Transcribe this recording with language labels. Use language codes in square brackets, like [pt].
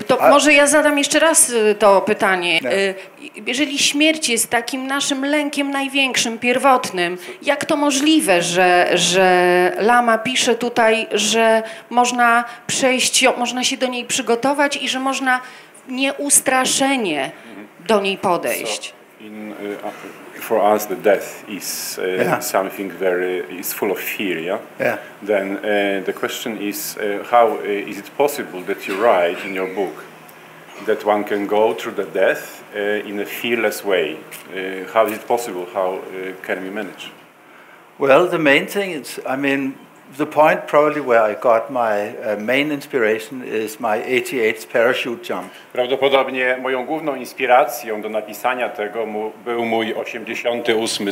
[pl] Może ja zadam jeszcze raz to pytanie. Jeżeli śmierć jest takim naszym lękiem największym, pierwotnym, jak to możliwe, że Lama pisze tutaj, że można przejść, można się do niej przygotować i że można nieustraszenie do niej podejść? [en] For us, the death is something very is full of fear. Yeah. Yeah. Then the question is, how is it possible that you write in your book that one can go through the death in a fearless way? How is it possible? How can we manage? Well, the main thing is, I mean, the point probably where I got my main inspiration is my 88th parachute jump. [pl] Prawdopodobnie moją główną inspiracją do napisania tego był mój 88.